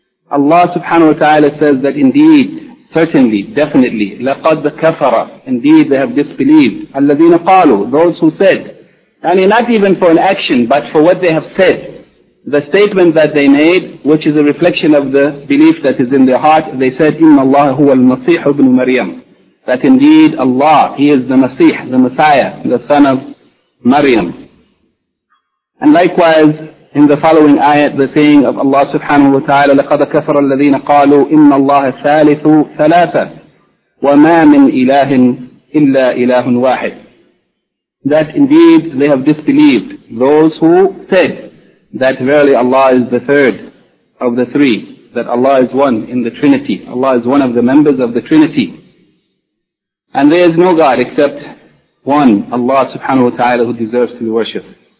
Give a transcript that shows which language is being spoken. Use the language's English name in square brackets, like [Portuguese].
[English] Allah subhanahu wa ta'ala says that indeed, certainly, definitely, [Arabic] لَقَدْ كَفَرَ, [English] indeed they have disbelieved, [Arabic] الَّذِينَ قَالُوا, [English] those who said, I mean not even for an action, but for what they have said, the statement that they made, which is a reflection of the belief that is in their heart, they said, [Arabic] إِنَّ اللَّهَ هُوَ الْمَصِيحُ ابْنُ مَرْيَمُ, [English] that indeed Allah, He is the Masih, the Messiah, the son of Maryam. And likewise, in the following ayat, the saying of Allah subhanahu wa ta'ala, [Arabic] لَقَدَ كَفَرَ الَّذِينَ قَالُوا إِنَّ اللَّهَ ثَالِثُ ثَلَاثَ وَمَا مِنْ إِلَهٍ إِلَّا إِلَهٌ وَاحِدٌ. [English] That indeed they have disbelieved those who said that verily Allah is the third of the three, that Allah is one in the Trinity, Allah is one of the members of the Trinity. And there is no God except one, Allah subhanahu wa ta'ala, who deserves to be worshipped.